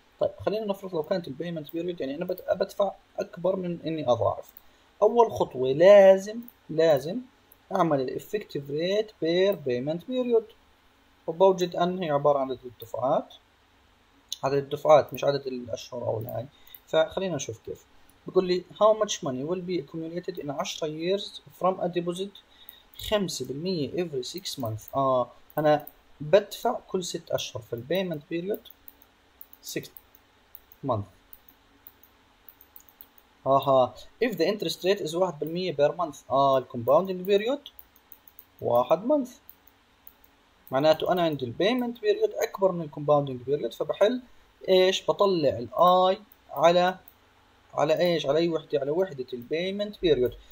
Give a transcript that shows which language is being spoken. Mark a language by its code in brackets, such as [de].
[ar] طيب خلينا نفرض لو كانت البيمنت بيريود، يعني انا بدفع اكبر من اني اضاعف، اول خطوه لازم اعمل الافكتيف ريت بير بيمنت بيريود، وبوجد ان هي عباره عن عدد الدفعات، عدد الدفعات مش عدد الاشهر او الهاي. فخلينا نشوف كيف. بقول لي [en] how much money will be accumulated in 10 years from a deposit 5% every 6 months. [ar] انا بدفع كل 6 اشهر، في البيمنت بيريود 6 مانث. اها، [en] if the interest rate is 1% per month. [ar] الكومباوندينج بيريود 1 مانث، معناته انا عندي البيمنت بيريود اكبر من الكومباوندينج بيريود، فبحل ايش؟ بطلع الاي على ايش؟ على اي وحده؟ على وحده البيمنت بيريود.